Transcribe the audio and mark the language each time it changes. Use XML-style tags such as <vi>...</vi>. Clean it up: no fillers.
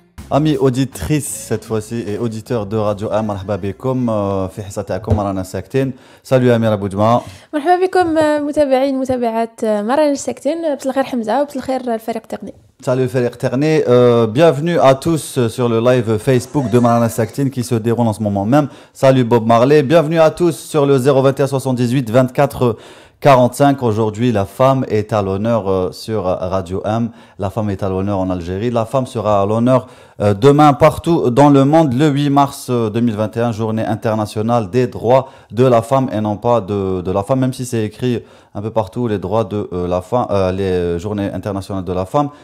<fr>Amis auditrices cette fois-ci et auditeurs de Radio A,</fr> <ar>marhaba bikoum fi hissa ta'akoum rana sakteen.</ar> <fr>Salut Amira Boudjma.</fr> <ar>Marhaba bikoum متابعين متابعات مرانا ساكتين بصل خير حمزه وبصل خير الفريق التقني.</ar> <fr>Salut Félix Terné, bienvenue à tous sur le live Facebook de Marana Sakhtin qui se déroule en ce moment même. Salut Bob Marley, bienvenue à tous sur le 021 78 24 45. Aujourd'hui, la femme est à l'honneur sur Radio M. La femme est à l'honneur en Algérie. La femme sera à l'honneur demain partout dans le monde, le 8 mars 2021, journée internationale des droits de la femme et non pas de la femme, même si c'est écrit un peu partout, les droits de la femme, les journées internationales de la femme.</fr>